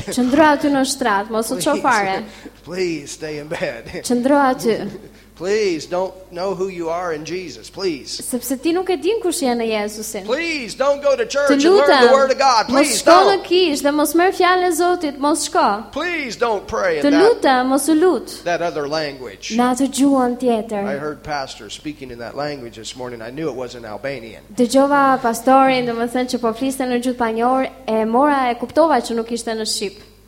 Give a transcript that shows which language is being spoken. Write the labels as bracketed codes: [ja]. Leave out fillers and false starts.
[sq] Qëndro aty në shtrat, mos u çoj fare. [en] Please stay in bed. [sq] Qëndro aty. [en] Please don't know who you are in Jesus, please. [sq] Sepse ti nuk e din kush je në Jezusin. [en] Please don't go to church and learn the word of God, please. [sq] Mos shko në kishë dhe mos merr fjalën e Zotit, mos shko. [en] Please don't pray in [sq] that. Të lutem, mos u lut. [en] That other language. [sq] Në atë gjuhën tjetër. [en] I heard pastor speaking in that language this morning. I knew it wasn't Albanian. [sq] Dëgjova pastorin, domethënë që po fliste në gjuhë panjore, e mora e kuptova që nuk ishte në shqip.